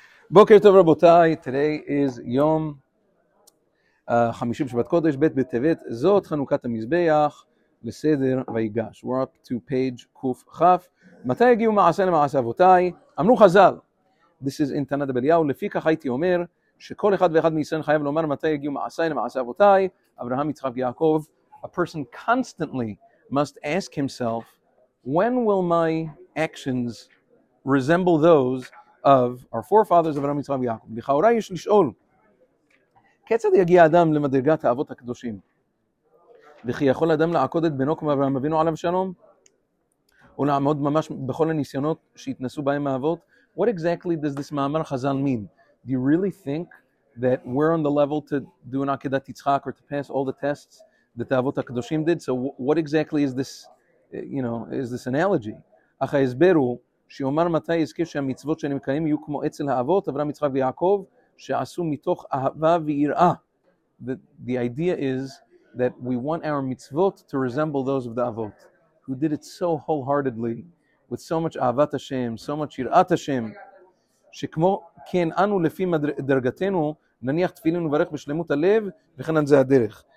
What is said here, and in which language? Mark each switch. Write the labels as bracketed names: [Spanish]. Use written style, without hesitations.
[Hebrew] בוקר טוב רבותיי, [English] today is [Hebrew] יום חמישי בשבת קודש, בית בטבת, זאת חנוכת המזבח, לסדר ויגש. [English] We're up to page קוף חף. [Hebrew] מתי הגיעו מעשה למעשה אבותיי? אמרו חזל, [English] this is in [Hebrew] תנא דבליהו, לפי כך הייתי אומר שכל אחד ואחד מישראל חייב לומר מתי הגיעו מעשה למעשה אבותיי, אברהם, יצחק, יעקב. [English] A person constantly must ask himself, when will my actions resemble those of our forefathers of Avraham, Yitzchak, Yaakov. [Hebrew] לכאורה יש לשאול, כיצד יגיע אדם למדרגת האבות הקדושים? וכי יכול אדם לעקוד את בנו כמו אברהם אבינו עליו שלום? או לעמוד ממש בכל הניסיונות שהתנסו בהם האבות? [English] What exactly does this מאמר חזל mean? Do you really think that we're on the level to do an עקדת יצחק or to pass all the tests that the אבות הקדושים did? So what exactly is this, you know, is this analogy? [Hebrew] אך ההסבר הוא, שיאמר מתי יזכה שהמצוות שאני מקיים יהיו כמו אצל האבות, אברהם, יצחק ויעקב, שעשו מתוך אהבה ויראה. [English] The idea is that we want our mitzvot to resemble those of the avot, who did it so wholeheartedly, with so much אהבת השם, so much יראת השם, [Hebrew] שכמו כן אנו לפי דרגתנו, נניח תפילין וברך בשלמות הלב, וכן זה הדרך.